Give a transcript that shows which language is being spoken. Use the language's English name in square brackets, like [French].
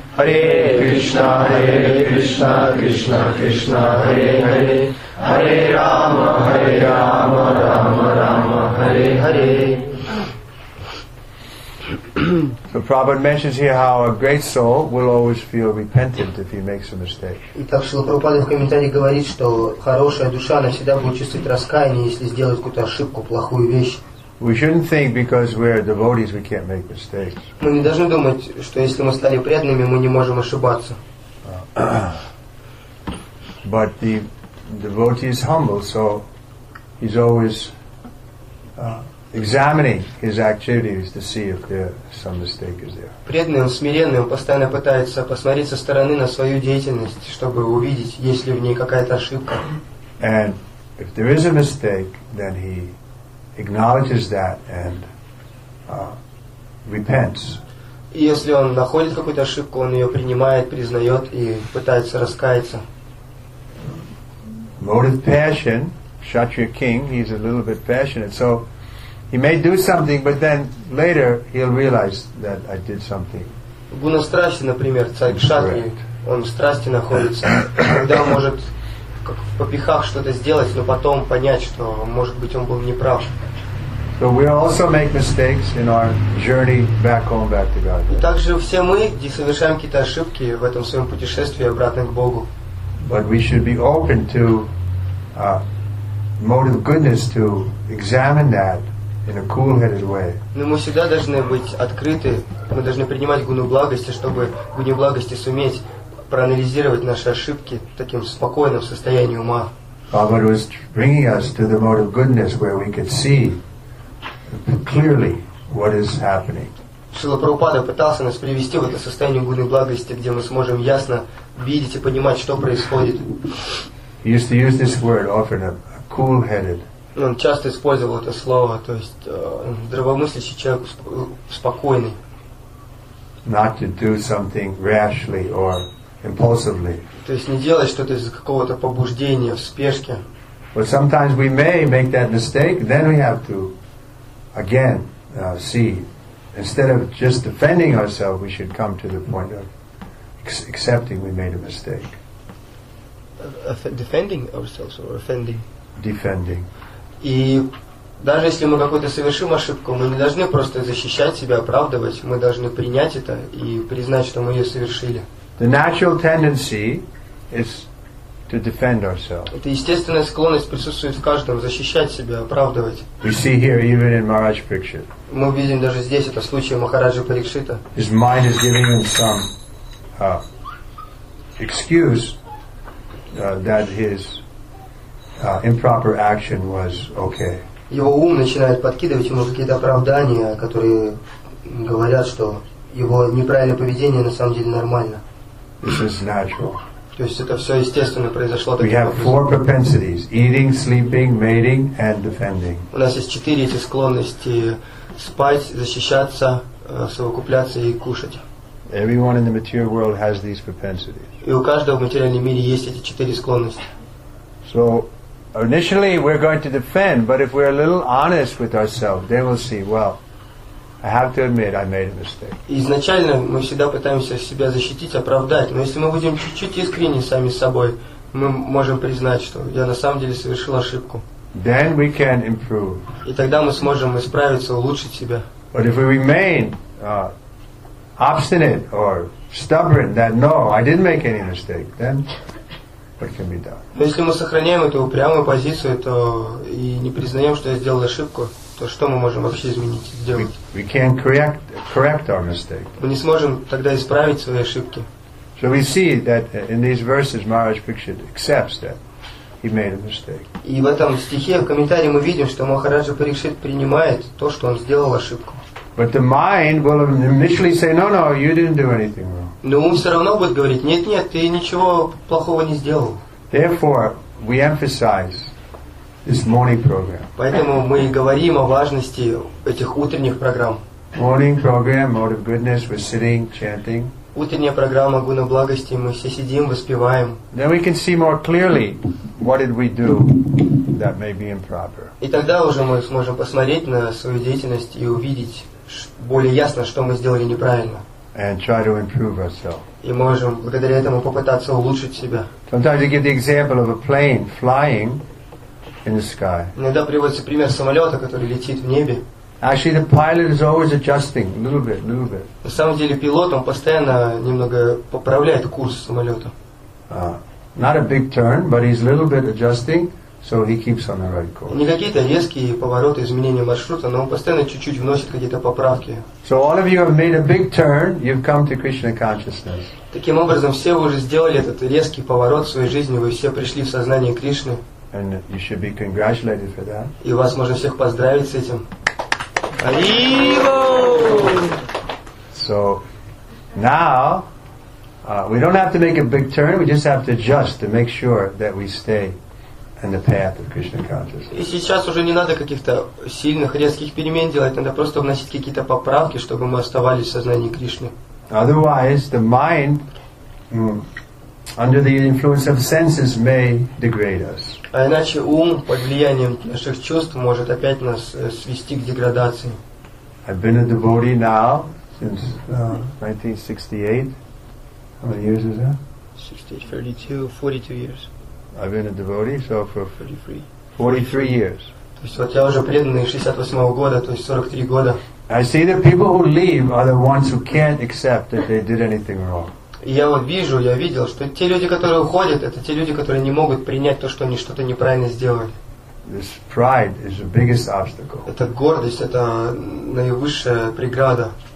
[Sanskrit] Hare Krishna, Krishna, Krishna, Hare Hare, Hare Rama, Rama, Rama, Hare Hare. [English] So Prabhupada mentions here how a great soul will always feel repentant if he makes a mistake. [Russian] Итак, Шрила Прабхупада в комментарии говорит, что хорошая душа навсегда будет чувствовать раскаяние, если сделает какую-то ошибку, плохую вещь. [English] We shouldn't think because we're devotees we can't make mistakes. [Russian] Мы не должны думать, что если мы стали преданными, мы не можем ошибаться. [English] But the devotee is humble, so he's always examining his activities to see if there some mistake is there. [Russian] Преданный, он смиренный, он постоянно пытается посмотреть со стороны на свою деятельность, чтобы увидеть, есть ли в ней какая-то ошибка. [English] And if there is a mistake, then he acknowledges that and repents. [Russian] И если он находит какую-то ошибку, он ее принимает, признает и пытается раскаяться. [English] Motive passion, Kshatriya king, he's a little bit passionate, so he may do something, but then later he'll realize that I did something. [Russian] Гуна страсти, например, царь Кшатри, он в страсти находится. Когда он может как в попихах что-то сделать, но потом понять, что, может быть, он был неправ. [English] So we also make mistakes in our journey back home, back to God. [Russian] И также все мы, где совершаем какие-то ошибки в этом своем путешествии обратно к Богу. [English] But we should be open to motive goodness to examine that in a cool-headed way. [Russian] Но мы всегда должны быть открыты, мы должны принимать гуну благости, чтобы гуне благости суметь проанализировать наши ошибки в таким спокойном состоянии ума. [English] Prabhupada was bringing us to the mode of goodness where we could see clearly what is happening. [Russian] Шрила Прабхупада пытался нас привести в это состояние гуны благости, где мы сможем ясно видеть и понимать, что происходит. [English] He used to use this word often, a cool-headed. [Russian] Он часто использовал это слово, то есть здравомыслящий человек, спокойный. [English] Not to do something rashly or impulsively. [Russian] То есть не делать что-то из какого-то побуждения, в спешке. [English] But sometimes we may make that mistake, then we have to again see. Instead of just defending ourselves, we should come to the point of accepting we made a mistake. Defending ourselves or offending? Defending. [Russian] И даже если мы какую-то совершим ошибку, мы не должны просто защищать себя, оправдывать. Мы должны принять это и признать, что мы ее совершили. [English] The natural tendency is to defend ourselves. [Russian] Это естественная склонность присутствует в каждом, защищать себя, оправдывать. [English] We see here even in Maharaj Parikshit. [Russian] Мы видим даже здесь это случай Махараджи Парикшита. [English] His mind is giving him some excuse that his improper action was okay. [Russian] Его ум начинает подкидывать ему какие-то оправдания, которые говорят, что его неправильное поведение на самом деле нормально. [English] This is natural. [Russian] То есть это все естественно произошло. [English] We have four propensities: eating, sleeping, mating, and defending. [Russian] У нас есть четыре эти склонности: спать, защищаться, совокупляться и кушать. [English] Everyone in the material world has these propensities. [Russian] И у каждого в материальном мире есть эти четыре склонности. [English] So initially we're going to defend, but if we're a little honest with ourselves, then we'll see, well, I have to admit I made a mistake. [Russian] Изначально мы всегда пытаемся себя защитить, оправдать, но если мы будем чуть-чуть искренни сами с собой, мы можем признать, что я на самом деле совершил ошибку. [English] Then we can improve. [Russian] И тогда мы сможем исправиться, улучшить себя. [English] But if we remain obstinate or stubborn that no, I didn't make any mistake, then what can be done? [Russian] Но если мы сохраняем эту упрямую позицию, то и не признаем, что я сделал ошибку, то что мы можем вообще изменить, сделать? [English] We can't correct our mistake. [Russian] Мы не сможем тогда исправить свои ошибки. [English] So we see that in these verses Maharaj Parikshit accepts that he made a mistake. [Russian] И в этом стихе, в комментарии мы видим, что Махараджа Парикшит принимает то, что он сделал ошибку. [English] But the mind will initially say, no, no, you didn't do anything wrong. [Russian] Но ум все равно будет говорить, нет, нет, ты ничего плохого не сделал. [English] Therefore, we emphasize this morning program. [Russian] Поэтому мы говорим о важности этих утренних программ. [English] Morning program, mode of goodness, we're sitting, chanting. [Russian] Утренняя программа Гуна Благости, мы все сидим, воспеваем. [English] Then we can see more clearly what did we do that may be improper. [Russian] И тогда уже мы сможем посмотреть на свою деятельность и увидеть более ясно, что мы сделали неправильно. [English] And try to improve ourselves. [Russian] И можем благодаря этому попытаться улучшить себя. [English] Sometimes you give the example of a plane flying in the sky. [Russian] Иногда приводится пример самолета, который летит в небе. [English] Actually, the pilot is always adjusting a little bit, little bit. [Russian] На самом деле пилот он постоянно немного поправляет курс самолета. [English] Not a big turn, but he's a little bit adjusting, so he keeps on the right course. [Russian] Не какие-то резкие повороты, изменения маршрута, но он постоянно чуть-чуть вносит какие-то поправки. [English] So all of you have made a big turn, you've come to Krishna consciousness. [Russian] Таким образом, все вы уже сделали этот резкий поворот в своей жизни, вы все пришли в сознание Кришны. [English] And you should be congratulated for that. [Russian] И вас можно всех поздравить с этим. [English] So now we don't have to make a big turn, we just have to adjust to make sure that we stay in the path of Krishna consciousness. [Russian] И сейчас уже не надо каких-то сильных резких перемен делать, надо просто вносить какие-то поправки, чтобы мы оставались в сознании Кришны. [English] Otherwise the mind under the influence of senses may degrade us. [Russian] А иначе ум под влиянием наших чувств может опять нас свести к деградации. [English] I've been a devotee now since 1968. How many years is that? 42 years. I've been a devotee, so for 43 years. [Russian] То есть вот я уже преданный 68 года, то есть 43 года. [English] I see that people who leave are the ones who can't accept that they did anything wrong. [Russian] И я вот вижу, я видел, что те люди, которые уходят, это те люди, которые не могут принять то, что они что-то неправильно сделали. [English] This pride is the biggest obstacle. [Russian] Это гордость, это наивысшая преграда.